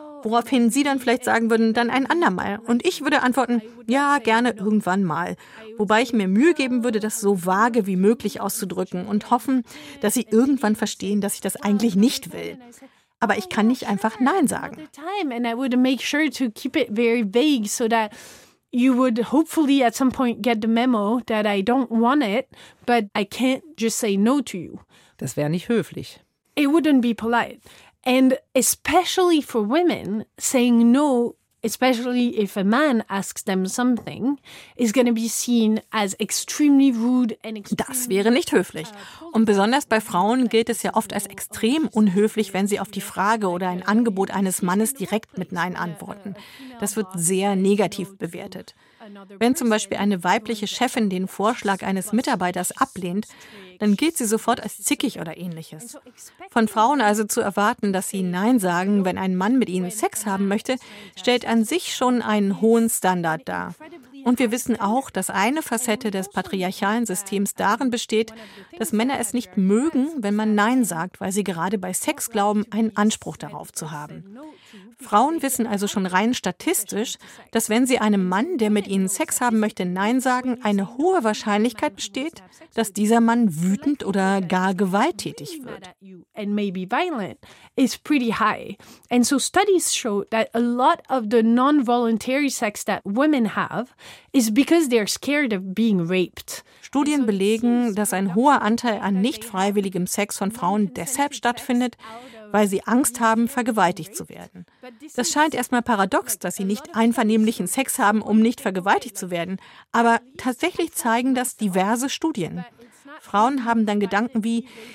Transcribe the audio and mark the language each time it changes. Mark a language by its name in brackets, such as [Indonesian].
[German] Woraufhin Sie dann vielleicht sagen würden, dann ein andermal. Und ich würde antworten, ja, gerne irgendwann mal. Wobei ich mir Mühe geben würde, das so vage wie möglich auszudrücken und hoffen, dass Sie irgendwann verstehen, dass ich das eigentlich nicht will. Aber ich kann nicht einfach Nein sagen. [English] And I would make sure to keep it very vague, so that you would hopefully at some point get the memo that I don't want it, but I can't just say no to you. [German] Das wäre nicht höflich. [English] It wouldn't be polite. And especially for women, saying no, especially if a man asks them something, is going to be seen as extremely rude and extremely. [German] Das wäre nicht höflich. Und besonders bei Frauen gilt es ja oft als extrem unhöflich, wenn sie auf die Frage oder ein Angebot eines Mannes direkt mit Nein antworten. Das wird sehr negativ bewertet. Wenn zum Beispiel eine weibliche Chefin den Vorschlag eines Mitarbeiters ablehnt, dann gilt sie sofort als zickig oder ähnliches. Von Frauen also zu erwarten, dass sie Nein sagen, wenn ein Mann mit ihnen Sex haben möchte, stellt an sich schon einen hohen Standard dar. Und wir wissen auch, dass eine Facette des patriarchalen Systems darin besteht, dass Männer es nicht mögen, wenn man Nein sagt, weil sie gerade bei Sex glauben, einen Anspruch darauf zu haben. Frauen wissen also schon rein statistisch, dass wenn sie einem Mann, der mit ihnen Sex haben möchte, Nein sagen, eine hohe Wahrscheinlichkeit besteht, dass dieser Mann wütend oder gar gewalttätig wird. [English] And maybe violent is pretty high. And so studies show that a lot of the non-voluntary sex that women have is because they're scared of being raped. [German] Studien belegen, dass ein hoher Anteil an nicht freiwilligem Sex von Frauen deshalb stattfindet, weil sie Angst haben, vergewaltigt zu werden. Das scheint erstmal paradox, dass sie nicht einvernehmlichen Sex haben, um nicht vergewaltigt zu werden, aber tatsächlich zeigen das diverse Studien. Frauen haben dann Gedanken wie,